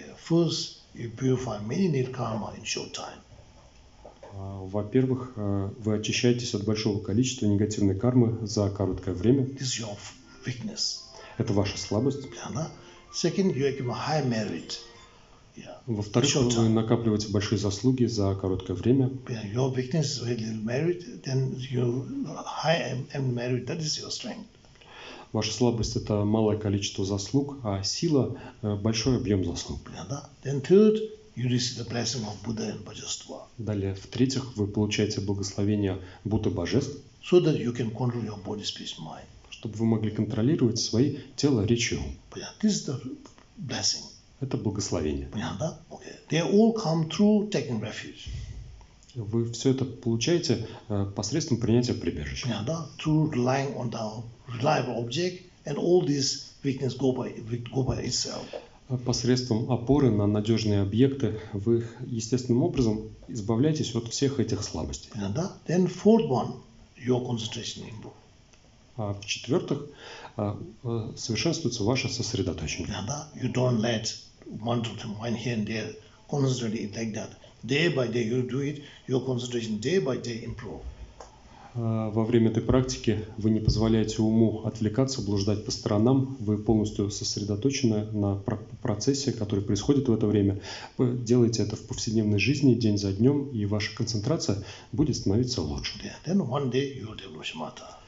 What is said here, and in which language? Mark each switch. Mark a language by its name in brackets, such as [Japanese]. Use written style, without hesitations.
[Russian] Во-первых, вы очищаетесь от большого количества негативной кармы за короткое время. [English] This is your weakness. [Russian] Это ваша слабость. [English] Second, you have high merit. [Russian] Во-вторых, [English] short time. [Russian] Вы накапливаете большие заслуги за короткое время. [English] Your weakness is very little merit, then you high and merit, that is your strength. [Russian] Ваша слабость – это малое количество заслуг, а сила – большой объем заслуг. Далее, в-третьих, вы получаете благословение Будды Божеств, [English] so that you can control your body, speech, mind. [Russian] Чтобы вы могли контролировать свои тело, речь и ум. [English] This is the blessing. [Russian] Это благословение. [English] Okay. They all come through taking refuge. [Russian] Вы все это получаете посредством принятия прибежища. [English] Yeah, да? Through relying on the reliable object, and all this weakness go by itself. [Russian] Посредством опоры на надежные объекты вы естественным образом избавляетесь от всех этих слабостей. [English] Yeah, да? Then fourth one, your concentration improves. [Russian] А в-четвертых, совершенствуется ваше сосредоточение. [English] Yeah, да? You don't let one here and there constantly like that. Day by day you do it, your concentration day by day improve. [Russian] Во время этой практики вы не позволяете уму отвлекаться, блуждать по сторонам, вы полностью сосредоточены на процессе, который происходит в это время. Вы делаете это в повседневной жизни день за днем, и ваша концентрация будет становиться лучше. [English] Yeah. Then one day you will develop shamatha.